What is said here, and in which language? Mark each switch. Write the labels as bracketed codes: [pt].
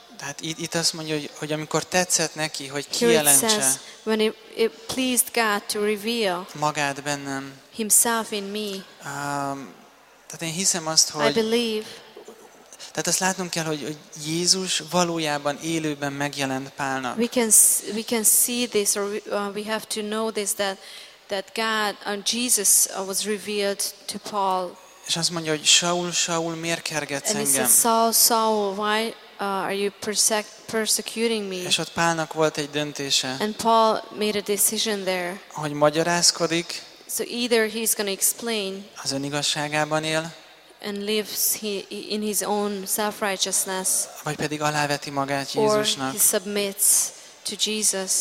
[hu] Tehát itt azt mondja, hogy amikor tetszett neki, hogy kijelentse. [en] Here it says, when it pleased God to reveal [hu] magát bennem. [en] Himself in me. [hu] Tehát én hiszem azt, hogy [en] I believe. [hu] Tehát azt látnunk kell, hogy Jézus valójában élőben megjelent Pálnak. [en] We can see this, or we have to know this, that God and Jesus was revealed to Paul [hu] És azt mondja, hogy Saul, Saul, miért kergetsz engem? [en] And he says, Saul, Saul, why are you persecuting me? [hu] És ott Pálnak volt egy döntése. [en] And Paul made a decision there. [hu] Hogy magyarázkodik. [en] So either he's going to explain. [hu] Az önigazságában él. [en] And lives in his own self-righteousness. [hu] Vagy pedig aláveti magát Jézusnak. [en] Or he submits to Jesus.